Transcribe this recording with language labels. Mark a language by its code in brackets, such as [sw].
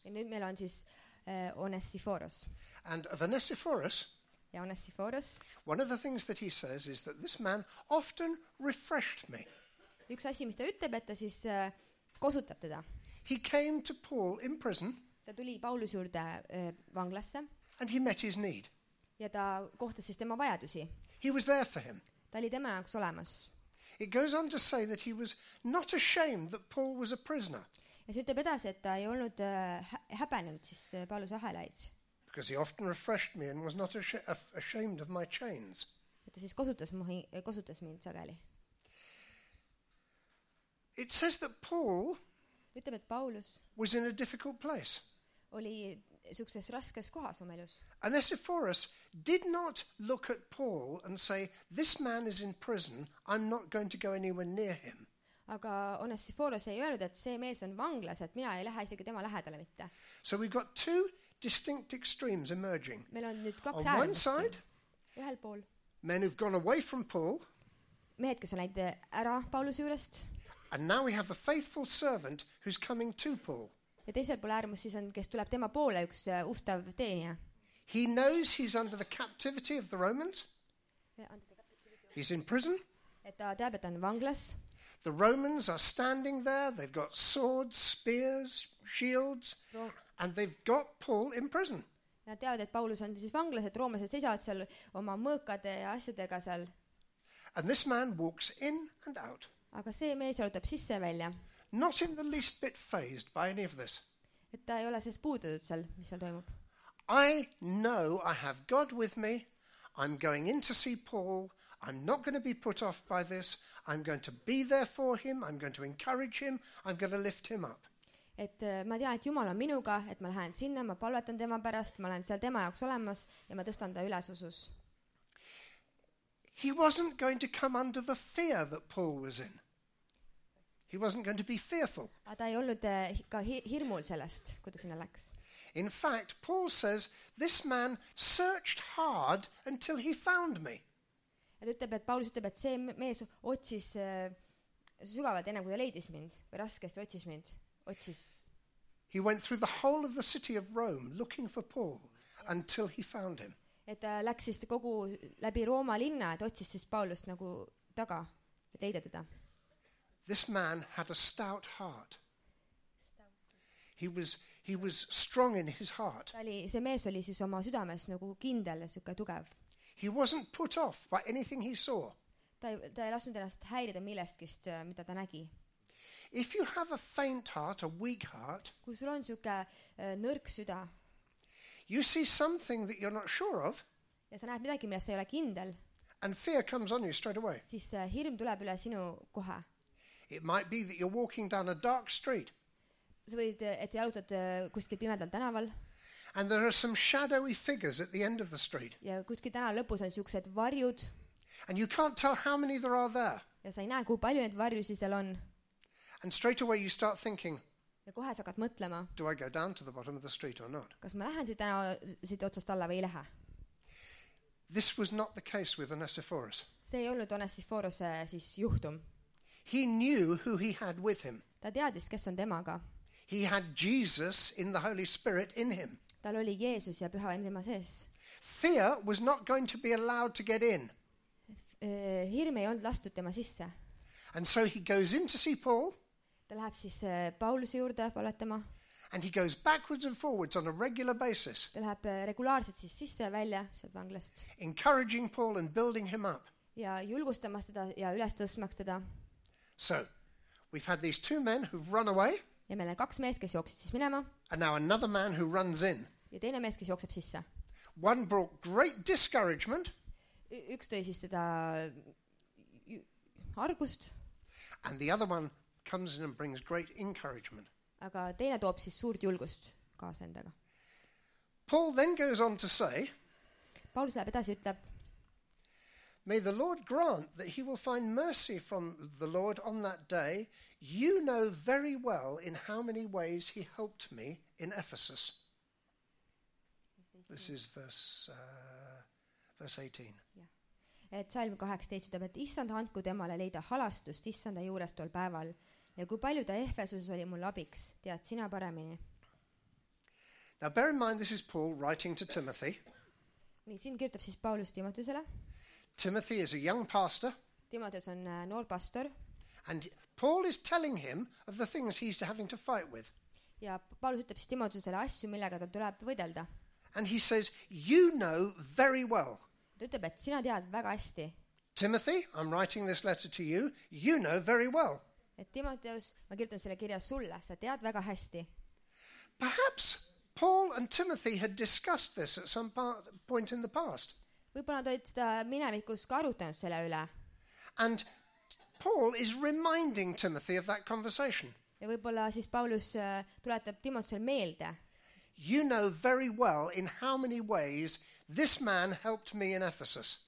[et] Ja nüüd meil on siis Onesiphorus. [en] And of Onesiphorus, one of the things that he says is that this man often refreshed me. [et] Üks asi, mis ta ütleb, et ta siis kosutab teda. [en] He came to Paul in prison. [et] Ta tuli Paulus juurde vanglasse. [en] And he met his need. [et] Ja ta kohtas siis tema vajadusi. [en] He was there for him. [et] Ta oli tema jaoks olemas. [en] It goes on to say that he was not ashamed that Paul was a prisoner. [et] Ja see ütleb edasi, et ta ei olnud häbenenud siis Paulus ahelaid. [en] Because he often refreshed me and was not ashamed of my chains. [et] Ta siis kosutas mind sageli. [en] It says that Paul, [et] ütleb, et Paulus [en] was in a difficult place. [et] Oli sukses raskes kohas oma elus. [en] Onesiphorus did not look at Paul and say, this man is in prison, I'm not going to go anywhere near him. [et] Aga Onesiphorus ei öelnud, et see mees on vanglas, et mina ei lähe isegi tema lähedale mitte. [en] So we've got two distinct extremes emerging. [et] Meil on nüüd kaks äärmust. [en] One side, [et] ühel pool, [en] men who've gone away from Paul, [et] mehed, kes on läinud ära Paulus juurest, [en] and now we have a faithful servant who's coming to Paul. [et] Ja teisel pool äärmust siis on, kes tuleb tema poole, üks ustav teenija. [en] He knows he's under the captivity of the Romans. He's in prison. [et] Et ta teab, et on vanglas. [en] The Romans are standing there, they've got swords, spears, shields, and they've got Paul in prison. [et] Ja teavad, et Paulus on siis vanglas, et roomlased seisavad seal oma mõõkade ja asjadega seal. [en] And this man walks in and out. [et] Aga see mees jalutab sisse välja. [en] Not in the least bit phased by any of this. [et] Et ta ei ole sest puudutud seal, mis seal toimub. [en] I know I have God with me. I'm going in to see Paul. I'm not going to be put off by this. I'm going to be there for him. I'm going to encourage him. I'm going to lift him up. [et] Et ma tean, et Jumal on minuga, et ma lähen sinna, ma palvetan tema pärast, ma olen seal tema jaoks olemas ja ma tõstan ta ülesusus. [en] He wasn't going to come under the fear that Paul was in. He He wasn't going to be fearful. [et] Ta ei olnud ka hirmul sellest, kuidas sinna läks. [en] In fact, Paul says this man searched hard until he found me. [et] Et ütleb, et Paulus ütleb, et see mees otsis sügavalt enne kui ta leidis mind või raskesti otsis mind. Otsis. [en] He went through the whole of the city of Rome looking for Paul until he found him. [et] Et ta läks siis kogu läbi Rooma linna, et otsis siis Paulust nagu taga, et leida teda. [en] This man had a stout heart. He was strong in his heart. [et] See mees oli siis oma südames nagu kindel ja siuke tugev. [en] He wasn't put off by anything he saw. [et] Ta ei lasknud ennast häirida millestkist, mida ta nägi. [en] If you have a faint heart, a weak heart, [et] kui sul on siuke nõrk süda, [en] you see something that you're not sure of, [et] ja sa näed midagi, millest sa ei ole kindel, [en] and fear comes on you straight away. [et] Siis hirm tuleb üle sinu kohe. [en] It might be that you're walking down a dark street. [et] Sa võid, et jalutad kuskil pimedal tänaval. [en] And there are some shadowy figures at the end of the street. [et] Ja kuskil tänaval lõpus on siuksed varjud. [en] And you can't tell how many there are there. [et] Ja sa ei näe, kui palju need varjusi seal on. [en] And straight away you start thinking. [et] Ja kohe sa hakkad mõtlema. [en] Do I go down to the bottom of the street or not? [et] Kas ma lähen siit tänaval siit otsast alla või ei lähe? [en] This was not the case with Onesiphorus. [et] See ei olnud Onesiphoruse siis juhtum. [en] He knew who he had with him. [et] Ta teadis, kes on temaga. [en] He had Jesus in the Holy Spirit in him. [et] Tal oli Jeesus ja püha vaim tema sees. [en] Fear was not going to be allowed to get in. [et] Hirm ei olnud lastud tema sisse. [en] And so he goes in to see Paul. [et] Ta läheb siis Pauluse juurde palvetama. [en] And he goes backwards and forwards on a regular basis. [et] Ta läheb regulaarselt siis sisse ja välja sealt vanglast. [en] Encouraging Paul and building him up. [et] Ja julgustamas teda ja üles tõstmaks teda. [en] So, we've had these two men who've run away. [et] Ja meil on kaks meest, kes jooksid siis minema. [en] And now another man who runs in. [et] Ja teine mees, kes jookseb sisse. [en] One brought great discouragement. [et] Üks tõi siis seda argust. [en] And the other one comes in and brings great encouragement. [et] Aga teine toob siis suurt julgust kaasa endaga. [en] Paul then goes on to say. [et] Paulus läheb edasi ütleb. [en] May the Lord grant that he will find mercy from the Lord on that day. You know very well in how many ways he helped me in Ephesus. This is verse 18. [et] Yeah. Et salm 18 ütleb, et issand andku temale leida halastust issanda juures tol päeval. Ja kui palju ta Ephesus oli mul abiks, tead sina paremini. [en] Now bear in mind this is Paul writing to Timothy. [et] Nii, siin kirjutab siis Paulus Timotusele. [en] Timothy is a young pastor. [et] Timotheus on noor pastor. [en] And Paul is telling him of the things he's having to fight with. [et] Ja Paulus ütleb siis Timotheusele asju, millega ta tuleb võidelda. [en] And he says, you know very well. [et] Ta ütleb, et sina tead väga hästi. [en] Timothy, I'm writing this letter to you. You know very well. [et] Et Timotheus, ma kirjutan selle kirja sulle. Sa tead väga hästi. [en] Perhaps Paul and Timothy had discussed this at some point in the past. [et] Võib-olla ta olid seda minevikus ka arutanud selle üle. [en] And Paul is reminding Timothy of that conversation. [et] Ja võib-olla siis Paulus tuletab Timotheusel meelde. [en] You know very well in how many ways this man helped me in Ephesus.